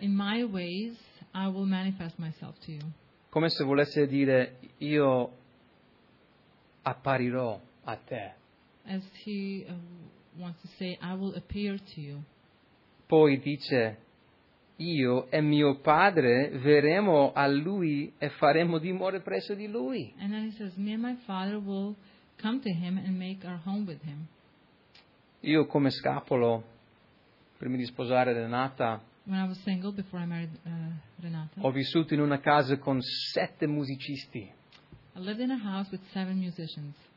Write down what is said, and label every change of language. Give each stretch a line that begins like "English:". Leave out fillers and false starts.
English: In my ways, I will manifest myself to you.
Italian: Come se volesse dire, io apparirò a te.
English: As he wants to say, I will appear to you.
Italian: Poi dice, io e mio padre verremo a lui e faremo dimora presso di lui.
English: And then he says, me and my father will come to him and make our home with him.
Italian: Io come scapolo, prima di sposare Renata,
English: when I was single, before I married, Renata,
Italian: ho vissuto in una casa con 7 musicisti.
English: I lived in a house with 7 musicians.